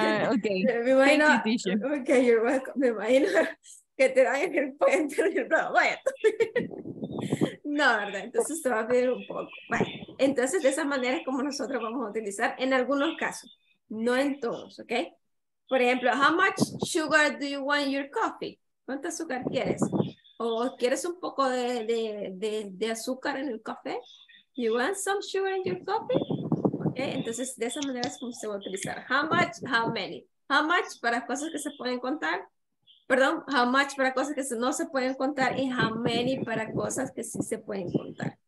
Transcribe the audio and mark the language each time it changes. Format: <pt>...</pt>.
<en>Ok, imagino, thank you, teacher. Ok, you're welcome.</en> <es>Me imagino que te dan el pollo entero y el pollo. Vaya. No, ¿verdad? Entonces te va a pedir un poco. Vale. Entonces, de esa manera es como nosotros vamos a utilizar en algunos casos, no en todos, ¿ok? Por ejemplo,</es> <en>how much sugar do you want in your coffee?</en> <es>¿Cuánto azúcar quieres? ¿O quieres un poco de azúcar en el café?</es> <en>You want some sugar in your coffee?</en> <es>Okay, entonces de esa manera es como se va a utilizar.</es> <en>How much, how many? How much</en> <es>para cosas que se pueden contar. Perdón, how much para cosas que no se pueden contar y how many para cosas que sí se pueden contar.</es>